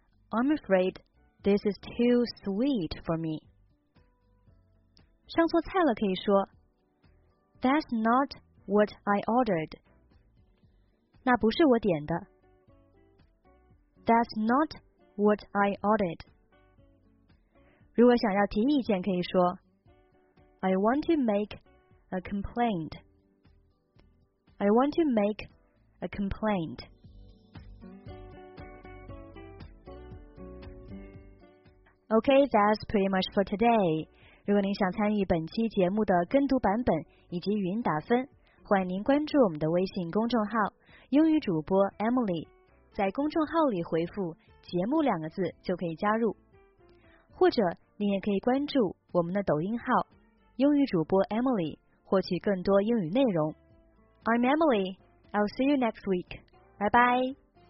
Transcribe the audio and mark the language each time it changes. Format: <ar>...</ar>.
<en>I'm afraid this is too sweet for me.</en> <zh>上错菜了，可以说</zh> <en>That's not what I ordered.</en> <zh>那不是我点的。</zh> <en>That's not what I ordered.</en> <zh>如果想要提意见，可以说</zh> <en>I want to make a complaint. I want to make a complaint. 、pretty much for today.</en> <zh>如果您想参与本期节目的跟读版本以及语音打分，欢迎您关注我们的微信公众号英语主播 Emily， 在公众号里回复节目两个字就可以加入，或者您也可以关注我们的抖音号英语主播 Emily 获取更多英语内容。</zh> <en>I'm Emily. I'll see you next week. Bye-bye.</en>